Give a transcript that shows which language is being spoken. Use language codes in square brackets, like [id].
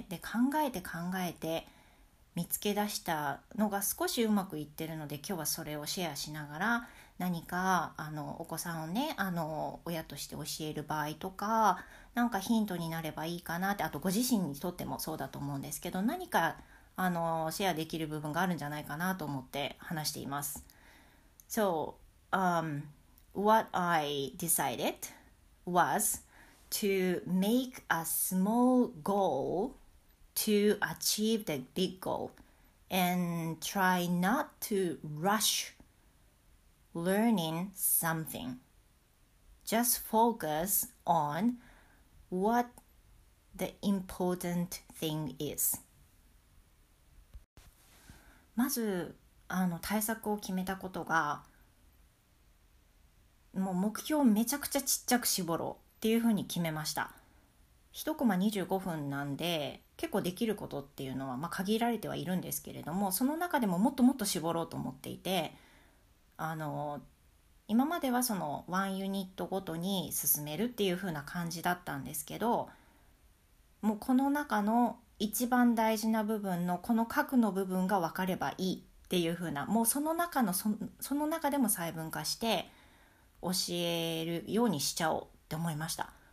[ja] で考えて考えて見つけ出したのが少しうまくいってるので、今日はそれをシェアしながら、何かお子さんをね親として教える場合とか、なんかヒントになればいいかなって、あとご自身にとってもそうだと思うんですけど、何かシェアできる部分があるんじゃないかなと思って話しています。 [en] So what I decided was to make a small goal to achieve the big goal and try not to rush learning something. Just focus on what the important thing is. [ja] まず対策を決めたことが、もう目標をめちゃくちゃちっちゃく絞ろうっていうふうに決めました。 1コマ25分なんで結構できることっていうのは、まあ、限られてはいるんですけれども、その中でももっともっと絞ろうと思っていて、今まではその1ユニットごとに進めるっていう風な感じだったんですけど、もうこの中の一番大事な部分のこの核の部分が分かればいいっていう風な、もうその中のその中でも細分化して教えるようにしちゃおうって思いました。